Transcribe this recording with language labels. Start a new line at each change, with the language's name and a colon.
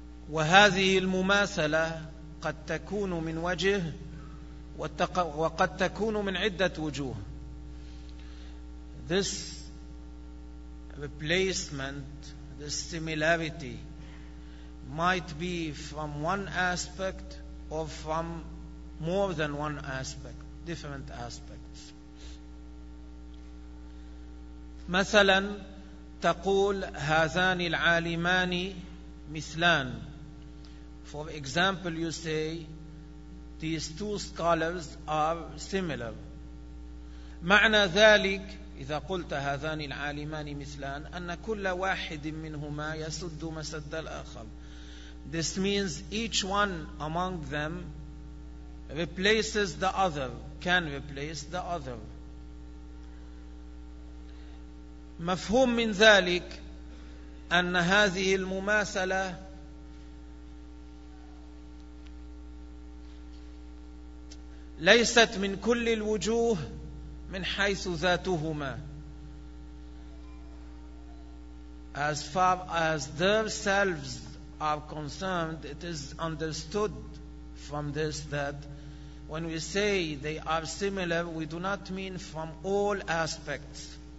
Arabic: وهذه المماثلة قد تكون من وجه وقد تكون من عدة وجوه
English: This replacement, this similarity might be from one aspect or from more than one aspect, different aspects.
Arabic: مثلا تقول هذان العالمان مثلان
English: For example, you say These two scholars are similar.
Arabic: معنى ذلك إذا قلت هذان العالمان مثلان أن كل واحد منهما يسد مسد الآخر.
English: This means each one among them replaces the other, can replace the other.
Arabic: مفهوم من ذلك أن هذه المماثلة ليست من كل الوجوه من حيث ذاتهما
English: As far as themselves are concerned it is understood from this that when we say they are similar we do not mean from all aspects